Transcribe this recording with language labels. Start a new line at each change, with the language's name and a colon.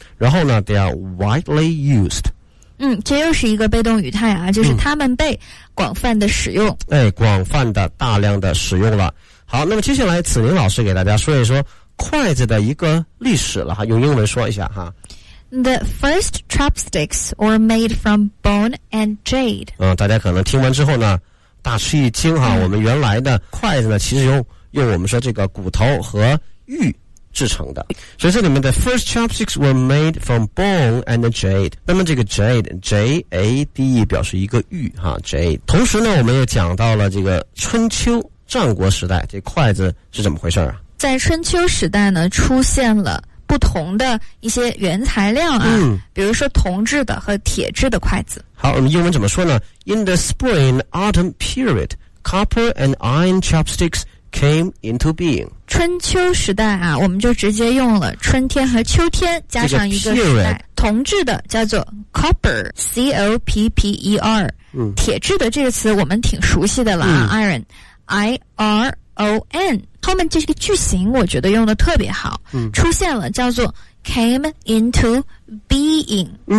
Chinese: 然后呢
English: ，they are widely used。
Chinese: 这又是一个被动语态啊，就是他们被广泛的使用。广泛的、大量的使用了。好，那么接下来子宁老师给大家说一说筷子的一个历史了哈，用英文说一下哈。
English: The first chopsticks were made from bone and jade.
Chinese: 大家可能听完之后呢，大吃一惊哈。我们原来的筷子呢，其实用我们说这个骨头和玉制成的。所以这里面的
English: first chopsticks were made from bone and jade.
Chinese: 那么这个 jade, J-A-D-E 表示一个玉哈 ，jade。同时呢，我们又讲到了这个春秋战国时代，这筷子是怎么回事啊？在春秋时代呢，出现了。不同的一些原材料啊，比如说铜制的和铁制的筷子。好，我们英文怎么说呢
English: ？In the spring autumn period, copper and iron chopsticks came into being.
Chinese: 春秋时代啊，我们就直接用了春天和秋天加上一个时代。这个 period, 铜制的叫做 copper, c o p p e r。铁制的这个词我们挺熟悉的了啊 ，iron, i r o n。后面这个句型我觉得用得特别好，出现了叫做
English: came into being。